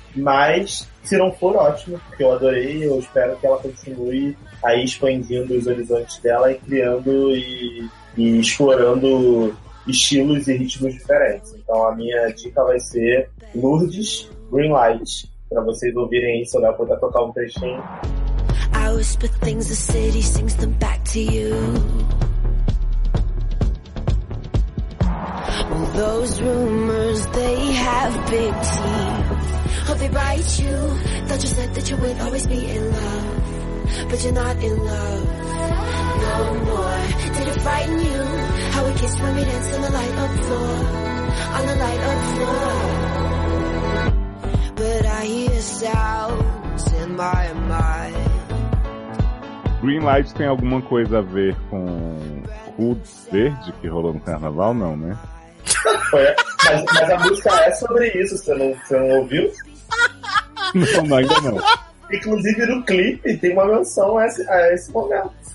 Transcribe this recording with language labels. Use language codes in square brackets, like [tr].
[pt] Mas se não for, ótimo, porque eu adorei, eu espero que ela continue aí expandindo os horizontes dela e criando e explorando estilos e ritmos diferentes. Então a minha dica vai ser Lourdes Green Light, pra vocês ouvirem isso, né? Eu vou até tocar um trechinho. [en] I whisper things the city sings them back to you. All those rumors, they have big teeth. Hope they bite you. Thought you said that you would always be in love, but you're not in love no more. Did it frighten you how we kissed when we danced on the light up floor? On the light up floor. But I hear sounds in my mind. [pt] Green Light tem alguma coisa a ver com o verde que rolou no carnaval? Não, né? Mas a música é sobre isso, você não ouviu? Não, ainda não. Inclusive no clipe tem uma menção a esse momento.